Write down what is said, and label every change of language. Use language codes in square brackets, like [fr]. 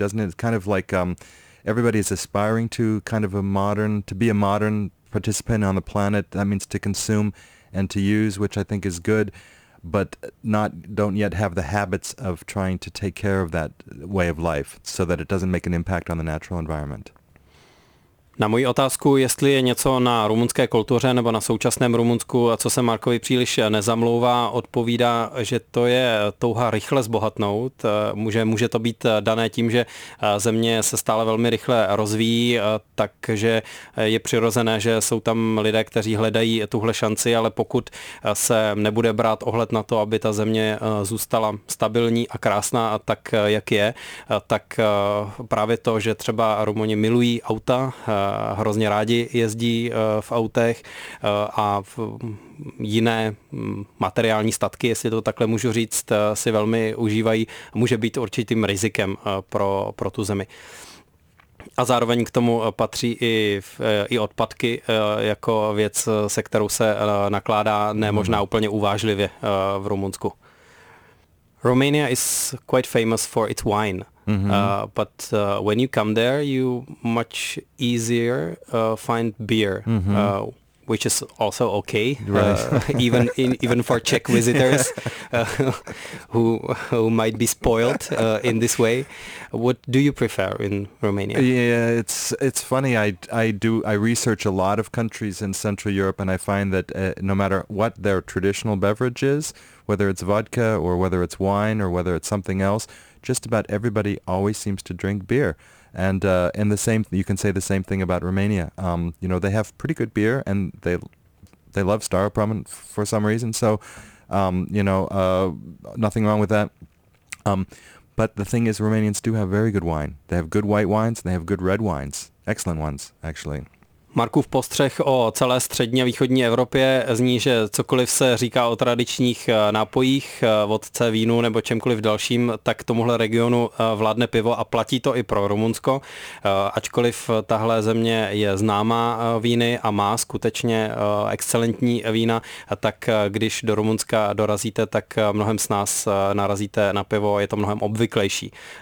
[en] Doesn't it? It's kind of like everybody's aspiring to kind of be a modern participant on the planet. That means to consume and to use, which I think is good, but don't yet have the habits of trying to take care of that way of life so that it doesn't make an impact on the natural environment. [cs] Na moji otázku, jestli je něco na rumunské kultuře nebo na současném Rumunsku, a co se Markovi příliš nezamlouvá, odpovídá, že to je touha rychle zbohatnout, že může to být dané tím, že země se stále velmi rychle rozvíjí, takže je přirozené, že jsou tam lidé, kteří hledají tuhle šanci, ale pokud se nebude brát ohled na to, aby ta země zůstala stabilní a krásná tak, jak je, tak právě to, že třeba Rumuni milují auta, hrozně rádi jezdí v autech a v jiné materiální statky, jestli to takhle můžu říct, si velmi užívají, může být určitým rizikem pro tu zemi. A zároveň k tomu patří i odpadky jako věc, se kterou se nakládá nemožná úplně uvážlivě v Rumunsku. [en] Romania is quite famous for its wine. But when you come there, you much easier find beer, which is also okay, right. even for Czech visitors who might be spoiled in this way. What do you prefer in Romania? Yeah, it's funny. I research a lot of countries in Central Europe, and I find that no matter what their traditional beverage is, whether it's vodka or whether it's wine or whether it's something else, just about everybody always seems to drink beer. And you can say the same thing about Romania. You know, they have pretty good beer, and they love Staropramen for some reason. So, nothing wrong with that. But the thing is, Romanians do have very good wine. They have good white wines, and they have good red wines. Excellent ones, actually. [cs] Markův postřeh o celé střední a východní Evropě zní, že cokoliv se říká o tradičních nápojích, vodce, vínu nebo čemkoliv dalším, tak tomuhle regionu vládne pivo a platí to i pro Rumunsko. Ačkoliv tahle země je známá víny a má skutečně excelentní vína, tak když do Rumunska dorazíte, tak mnohem snáz narazíte na pivo, je to mnohem obvyklejší.